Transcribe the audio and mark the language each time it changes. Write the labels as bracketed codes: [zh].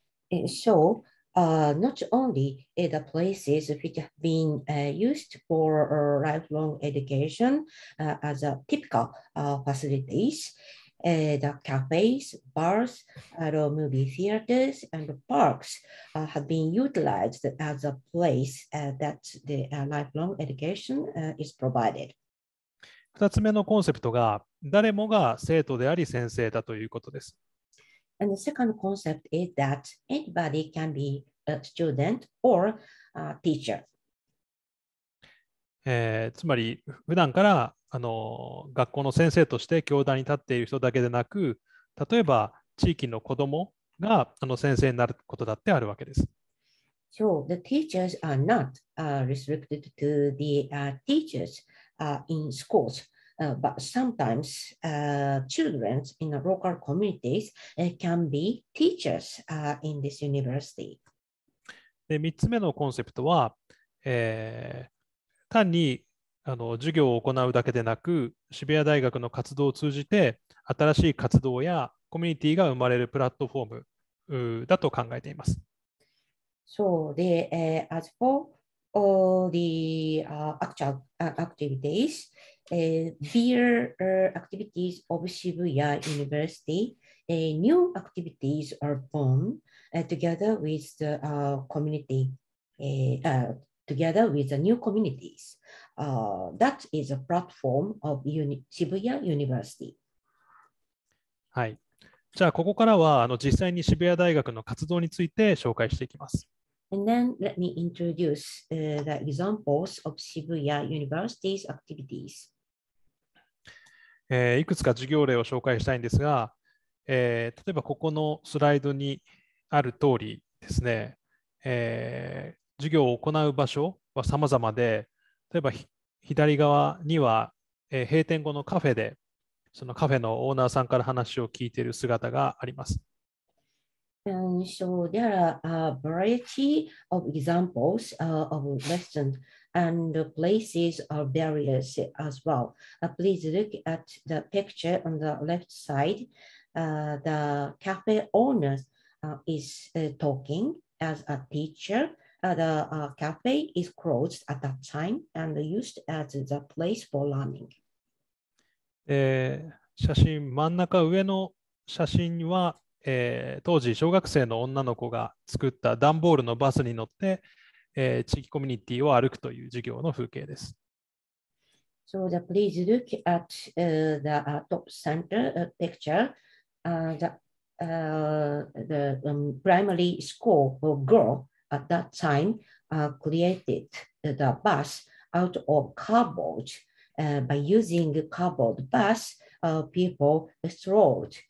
[en] So, not only the places which have been used for lifelong education as a typical facilities, the cafes, bars, movie theaters, and parks have been utilized as a place that the lifelong education is provided. [ja] 2つ目のコンセプトが誰もが生徒であり先生だということです。 [en] And the second concept is that anybody can be a student or a teacher. [ja] つまり普段からあの学校の先生として教壇に立っている人だけでなく、例えば地域の子どもがあの先生になることだってあるわけです。 [en] So the teachers are not restricted to the teachers. In schools, but sometimes children in the local communities can be teachers in this university. [ja] で、3つ目のコンセプトは、単にあの授業を行うだけでなく、渋谷大学の活動を通じて新しい活動やコミュニティが生まれるプラットフォームだと考えています。 [en] So, the, as forAll the actual activities, here activities of Shibuya University, new activities are born together with the community, together with the new communities. That is a platform of Shibuya University. [ja] はい。じゃあここからはあの実際に渋谷大学の活動について紹介していきます。 [en] And then let me introduce the examples of Shibuya University's activities. [ja] いくつか授業例を紹介したいんですが、例えばここのスライドにある通りですね、授業を行う場所は様々で、例えば左側には、閉店後のカフェで、そのカフェのオーナーさんから話を聞いている姿があります。 [en] And so there are a variety of examples of lessons and places are various as well. Please look at the picture on the left side. The cafe owner is talking as a teacher. The cafe is closed at that time and used as the place for learning. [ja] 写真真ん中上の写真には当時小学生の女の子が作った段ボールのバスに乗って、地域コミュニティを歩くという授業の風景です。 [en] So the, please look at the top center picture. The primary school girl at that time created the bus out of cardboard by using cardboard bus people strolled.